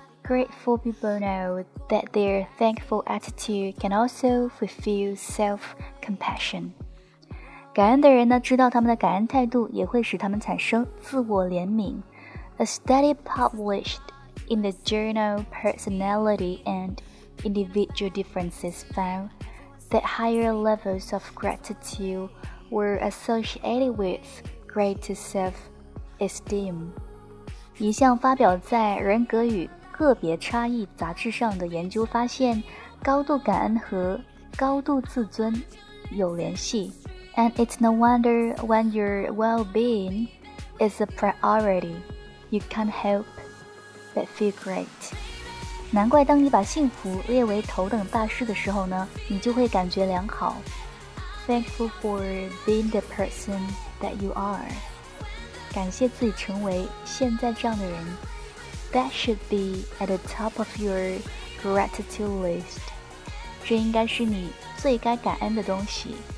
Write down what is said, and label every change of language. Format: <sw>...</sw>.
<en>Grateful people know that their thankful attitude can also fulfill self-compassion.</en> <zh>感恩的人呢，知道他们的感恩态度也会使他们产生自我怜悯。</zh> <en>A study published in the journal Personality and Individual Differences found that higher levels of gratitude were associated with greater self-esteem.</en> <zh>一项发表在《人格与个别差异》杂志上的研究发现，高度感恩和高度自尊有联系。</zh> <en>And it's no wonder when your well-being is a priority. You can't help but feel great.</en> <zh>难怪当你把幸福列为头等大事的时候呢，你就会感觉良好。</zh> <en>Thankful for being the person that you are.</en> <zh>感谢自己成为现在这样的人。</zh> <en>That should be at the top of your gratitude list.</en> <zh>这应该是你最该感恩的东西。</zh>